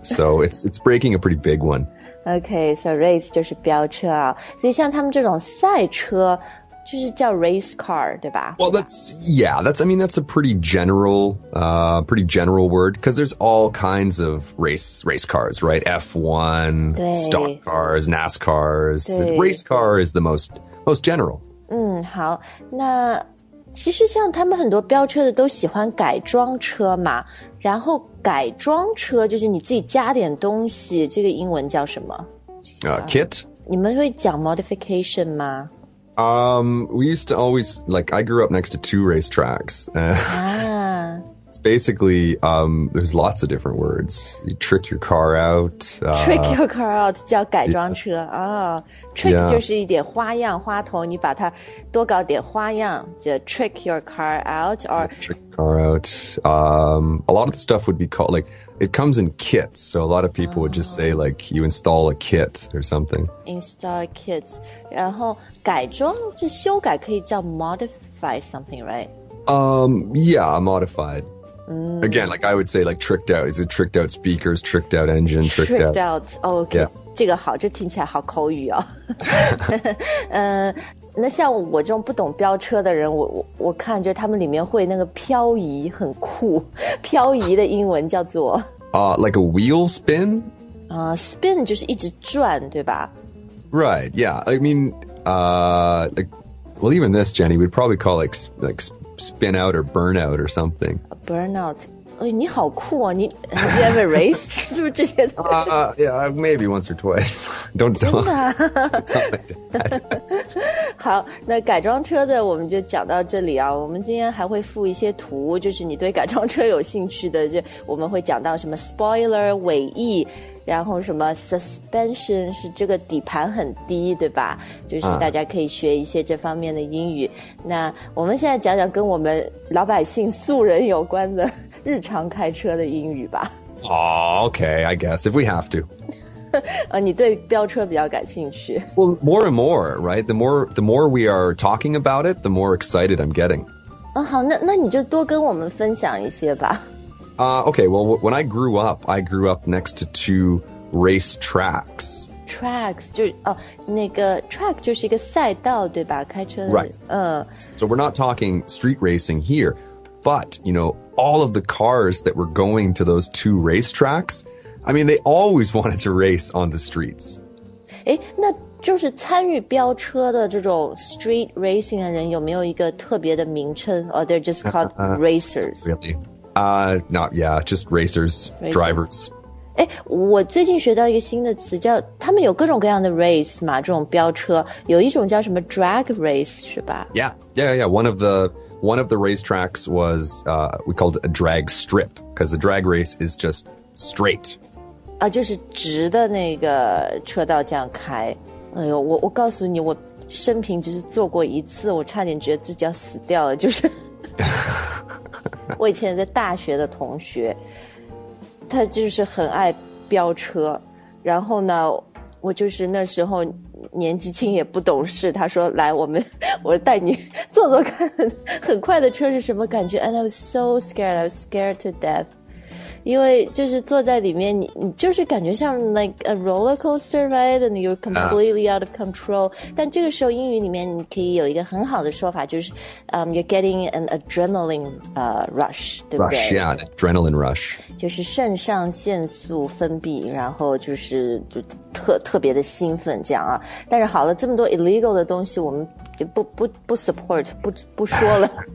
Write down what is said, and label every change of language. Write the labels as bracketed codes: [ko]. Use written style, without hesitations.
[en] So it's breaking a pretty big one. Okay, so [zh] race 就是飙车啊。所以像他们这种赛车就是叫 race car, 对吧？ [en] Well, that's a pretty general word, because there's all kinds of race cars, right? F1, stock cars, NASCARs. Race car is the most general. [zh] 好，那其实像他们很多飙车的都喜欢改装车嘛，然后改装车就是你自己加点东西，这个英文叫什么？ [en] Kit? [zh] 你们会讲 modification 吗？ [en] We used to always, like, I grew up next to two racetracks. It's basically, there's lots of different words. You trick your car out. Trick your car out, [zh] 叫改装车。 Trick 就是一点花样花头，你把它多搞点花样，就 [en] trick your car out. Or trick your car out. A lot of the stuff would be called, like, it comes in kits. So a lot of people would just say, like, you install a kit or something. Install kits. [zh] 然后改装，就修改可以叫 [en] modify something, right? Yeah, modified. Again, like I would say, like tricked out. Is it tricked out speakers, tricked out engine, tricked out. Okay. Yeah. [zh] 这个好，这听起来好口语哦。那像我这种不懂飙车的人，我看就是他们里面会那个漂移很酷，漂移的英文叫做 [en] like a wheel spin. [zh] Spin 就是一直转，对吧 [en] ？Right. Yeah. I mean, like, even this, Jenny, we'd probably call it, like spin out or burnout or something. [zh] Burnout. 哎，你好酷啊！你 [en] have you ever raced [zh] 是不是这些词？ [en] Yeah, maybe once or twice. Don't tell me that. [zh] 好，那改装车的我们就讲到这里啊。我们今天还会附一些图，就是你对改装车有兴趣的，就我们会讲到什么 spoiler 尾翼。然后什么 suspension 是这个底盘很低，对吧？就是大家可以学一些这方面的英语。那我们现在讲讲跟我们老百姓素人有关的日常开车的英语吧。 [en] Okay, I guess if we have to. [zh] 你对飙车比较感兴趣。 [en] Well, more and more, right? The more we are talking about it, the more excited I'm getting. [zh] 好，那你就多跟我们分享一些吧。 [en] When I grew up, I grew up next to two race tracks. [zh] Tracks, 就哦，那个 track 就是一个赛道，对吧？开车的。 [en] Right. So we're not talking street racing here, but, you know, all of the cars that were going to those two race tracks, I mean, they always wanted to race on the streets. [zh] 诶，那就是参与飙车的这种 street racing 的人有没有一个特别的名称？ [en] Or they're just called racers? Really? Just racers. Drivers. [zh] 诶，我最近学到一个新的词叫，他们有各种各样的 race 嘛，这种飙车，有一种叫什么 drag race 是吧？ [en] Yeah. One of the racetracks was, we called it a drag strip, because a drag race is just straight. [zh] 啊，就是直的那个车道这样开。哎呦，我告诉你，我生平就是坐过一次，我差点觉得自己要死掉了，就是。我以前在大学的同学，他就是很爱飙车，然后呢，我就是那时候年纪轻也不懂事，他说来我带你坐坐看很快的车是什么感觉。 [en] And I was so scared, I was scared to death. [zh] 因为就是坐在里面你就是感觉像 [en] like a roller coaster, right? And you're completely out of control. [zh] 但这个时候英语里面你可以有一个很好的说法，就是 [en] you're getting an adrenaline rush, [zh] 对不对？ [en] Rush, yeah, an adrenaline rush. [zh] 就是肾上腺素分泌，然后就是就特别的兴奋这样啊。但是好了，这么多 illegal 的东西我们就不 support, 不说了。